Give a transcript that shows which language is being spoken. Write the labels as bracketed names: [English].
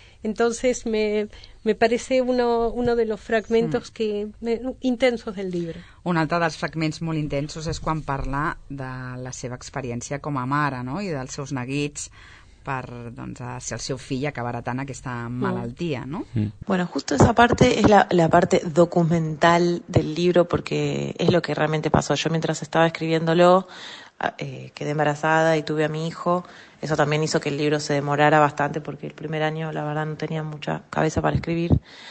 [Spanish] Entonces me parece uno de los fragmentos intensos del libro. [Catalan] Un altre dels fragments molt intensos és quan parla de la seva experiència com a mare, no? I dels seus neguits per, doncs, si el seu fill acabarà tant aquesta malaltia, no? [Spanish] Bueno, justo esa parte es la parte documental del libro, porque es lo que realmente pasó. Yo mientras estaba escribiéndolo, quedé embarazada y tuve a mi hijo. Eso también hizo que el libro se demorara bastante, porque el primer año, la verdad, no tenía mucha cabeza para escribir.